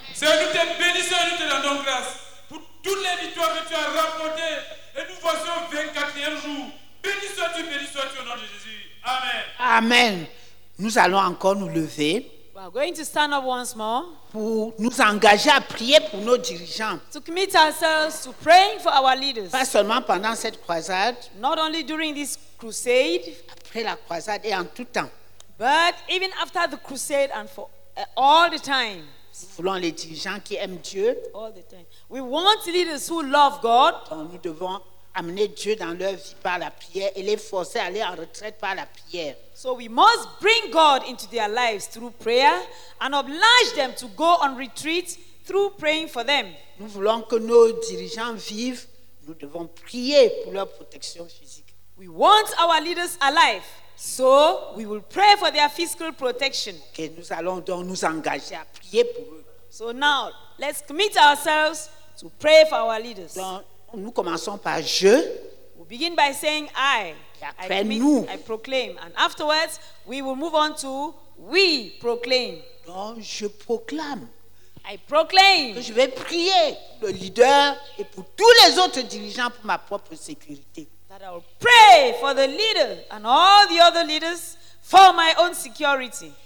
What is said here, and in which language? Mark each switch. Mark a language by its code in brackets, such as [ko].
[fr] Seigneur, nous te bénissons et nous te donnons grâce pour toutes les victoires que tu as remportées. Et nous voici au 24e jour. Béni sois-tu au nom de Jésus. Amen. Amen. Nous allons encore nous lever. [en] We are going to stand up once more. [fr] Pour nous engager à prier pour nos dirigeants. [en] To commit ourselves to praying for our leaders. [fr] Pas seulement pendant cette croisade. [en] Not only during this crusade. [fr] Après la croisade et en tout temps. [en] But even after the crusade and for all the time. [fr] Nous voulons les dirigeants qui aiment Dieu. [en] All the time. We want leaders who love God. [fr] Donc nous devons amener Dieu dans leur vie par la prière et les forcer à aller en retraite par la prière. [en] So we must bring God into their lives through prayer and oblige them to go on retreat through praying for them. [fr] Nous voulons que nos dirigeants vivent, nous devons prier pour leur protection physique. [en] We want our leaders alive, so we will pray for their physical protection. [fr] Okay, nous allons donc nous engager à prier pour eux. [en] So now, let's commit ourselves to pray for our leaders. [fr] Donc, nous commençons par je. [en] We begin by saying I. [fr] Après nous. [en] I proclaim. And afterwards, we will move on to we proclaim. [fr] Donc je proclame. [en] I proclaim. [fr] Que je vais prier pour le leader et pour tous les autres dirigeants pour ma propre sécurité. [en] That I will pray for the leader and all the other leaders for my own security.